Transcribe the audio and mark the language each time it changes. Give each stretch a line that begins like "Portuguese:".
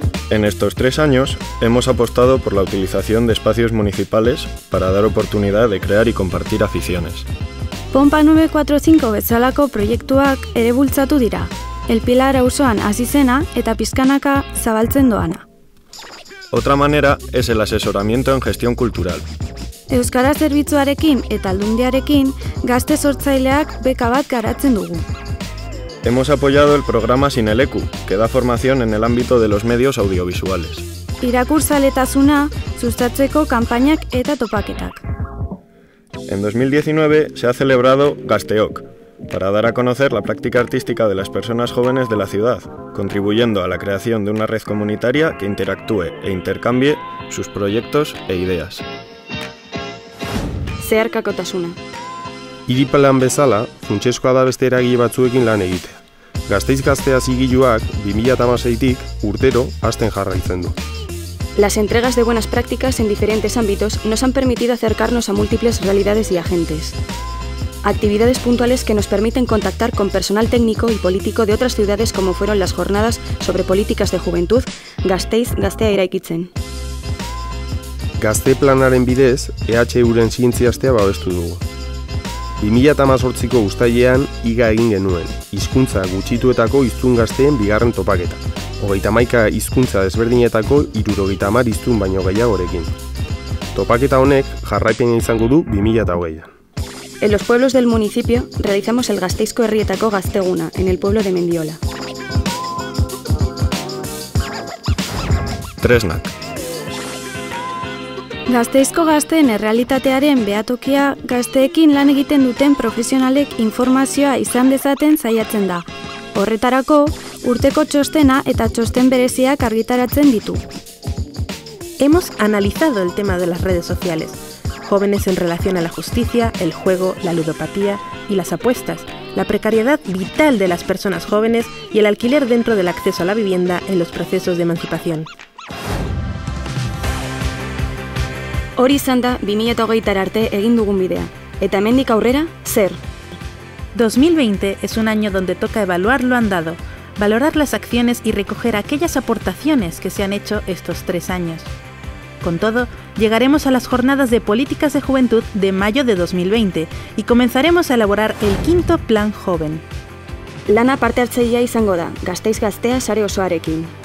Spanish: En estos tres años, hemos apostado por la utilización de espacios municipales para dar oportunidad de crear y compartir aficiones.
Basque: Pompa 945 bezalako proiektuak ere bultzatu dira. El Pilar auzoan hasi zena eta pizkanaka zabaltzen doana.
Spanish: Otra manera es el asesoramiento en gestión cultural.
Basque: Euskara zerbitzuarekin eta aldundiarekin gazte sortzaileak beka bat garatzen dugu.
Spanish: Hemos apoyado el programa Sin el Ecu, que da formación en el ámbito de los medios audiovisuales.
Basque: Irakurzaletasuna sustatzeko kanpainak eta topaketak.
Spanish: En 2019 se ha celebrado Gasteok, para dar a conocer la práctica artística de las personas jóvenes de la ciudad, contribuyendo a la creación de una red comunitaria que interactúe e intercambie sus proyectos e ideas.
Basque: Zeharkakotasuna. Hiriplan bezala, funtsezkoa da beste eragile batzuekin lan egitea. Gasteiz Gaztea zigiluak 2016-tik urtero hasten jarraitzen du.
Spanish: Las entregas de buenas prácticas en diferentes ámbitos nos han permitido acercarnos a múltiples realidades y agentes. Actividades puntuales que nos permiten contactar con personal técnico y político de otras ciudades como fueron las jornadas sobre políticas de juventud Gasteiz Gaztea eraikitzen.
Basque: Gazte planaren bidez, EHU-ren zientziastea babestu dugu. 2018ko uztailean iga egin genuen, hizkuntza gutxituetako hiztun gazteen bigarren topaketa. 31 hizkuntza desberdinetako 70 hiztun baino gehiagorekin. Topaketa honek jarraipena izango du 2020an.
Spanish: En los pueblos del municipio realizamos el Gasteizko herrietako gazteguna en el pueblo de Mendiola.
Basque: Tresnak. Gasteizko gazteen errealitatearen behatokia gazteekin lan egiten duten profesionalek informazioa izan dezaten saiatzen da. Horretarako, urteko txostena eta txosten bereziak argitaratzen ditu.
Spanish: Hemos analizado el tema de las redes sociales. Jóvenes en relación a la justicia, el juego, la ludopatía y las apuestas, la precariedad vital de las personas jóvenes y el alquiler dentro del acceso a la vivienda en los procesos de emancipación.
Basque: Hori izan da 2020 arte egin dugun bidea. Eta hemendik aurrera, zer?
Spanish: 2020 es un año donde toca evaluar lo andado, valorar las acciones y recoger aquellas aportaciones que se han hecho estos tres años. Con todo, llegaremos a las Jornadas de Políticas de Juventud de mayo de 2020 y comenzaremos a elaborar el quinto Plan Joven.
Basque: Lana parte hartzailea izango da, Gasteiz Gaztea sare osoarekin.